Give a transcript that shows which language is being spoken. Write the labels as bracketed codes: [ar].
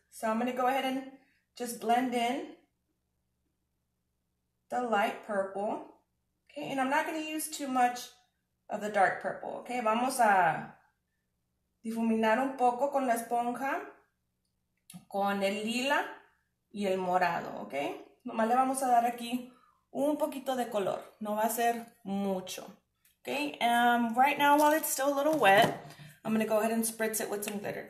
[en] So I'm going to go ahead and just blend in the light purple. Okay, and I'm not going to use too much of the dark purple, okay? [es] Vamos a difuminar un poco con la esponja, con el lila y el morado, ¿ok? Nomás le vamos a dar aquí un poquito de color. No va a ser mucho, ¿ok? [en] Right now, while it's still a little wet, I'm going to go ahead and spritz it with some glitter.